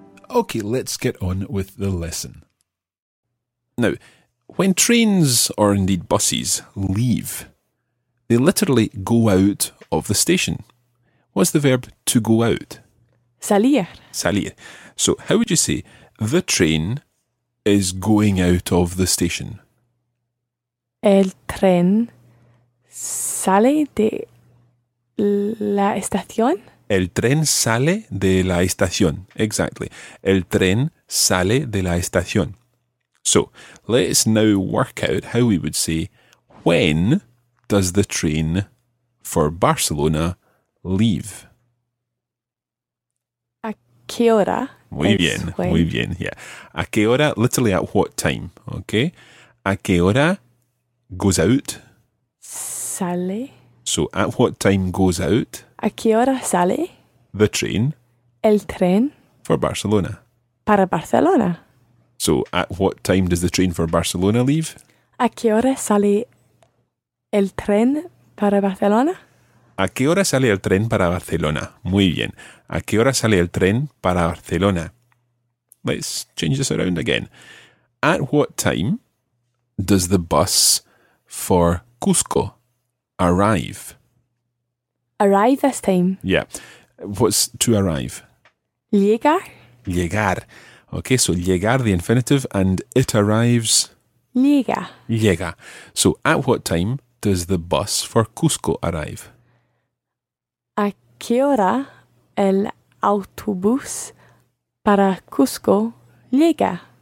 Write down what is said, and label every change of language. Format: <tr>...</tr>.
<en>Okay, let's get on with the lesson. Now, when trains, or indeed buses, leave, they literally go out of the station. What's the verb to go out?</en> <es>Salir. Salir.</es> <en>So how would you say, the train is going out of the station?</en> <es>El tren sale de la estación. El tren sale de la estación. Exactly. El tren sale de la estación.</es> <en>So, let's now work out how we would say, when does the train for Barcelona leave?</en> <es>A qué hora? Muy bien, muy bien. Yeah. A qué hora,</es> <en>literally at what time, okay?</en> <es>A qué hora</es> <en>goes out?</en> <es>Sale.</es> <en>So, at what time goes out?</en> <es>A qué hora sale?</es> <en>The train.</en> <es>El tren.</es> <en>For Barcelona.</en> <es>Para Barcelona.</es> <en>So, at what time does the train for Barcelona leave?</en> <es>¿A qué hora sale el tren para Barcelona? ¿A qué hora sale el tren para Barcelona? Muy bien. ¿A qué hora sale el tren para Barcelona?</es> <en>Let's change this around again. At what time does the bus for Cusco arrive? Arrive this time. Yeah. What's to arrive?</en> <es>Llegar.</es> <en>Llegar. Okay, so llegar, the infinitive, and it arrives?</en> <es>Llega. Llega.</es> <en>So at what time does the bus for Cusco arrive?</en> <es>¿A qué hora el autobús para Cusco llega?</es>